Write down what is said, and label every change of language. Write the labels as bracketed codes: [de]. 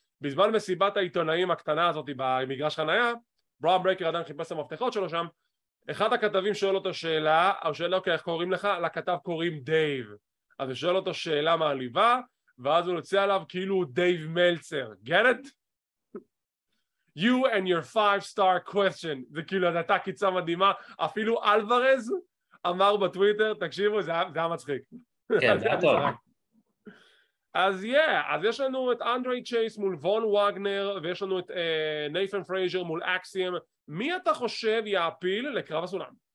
[he] בזמן מסיבת העיתונאים הקטנה הזאת במגרש חנייה, ברון ברייקר עדיין חיפש המפתחות שלו שם, אחד הכתבים שואל אותו שאלה, הוא שואל, אוקיי, איך קוראים לך? לכתב קוראים דייב. אז הוא שואל אותו שאלה מעליבה, ואז הוא נוצא עליו כאילו דייב מלצר. [en] Get it? You and your 5-star question. [he] זה כאילו, זה הייתה קיצה מדהימה. אפילו אלוורז אמר בטוויטר, תקשיבו, זה היה מצחיק. כן, זה היה טוב. אז yeah, אז יש לנו את אנדרי צ'ייס מול וון וגנר, ויש לנו את נייתן פרייזר מול אקסיום. מי אתה חושב יעפיל לקרב הסולם?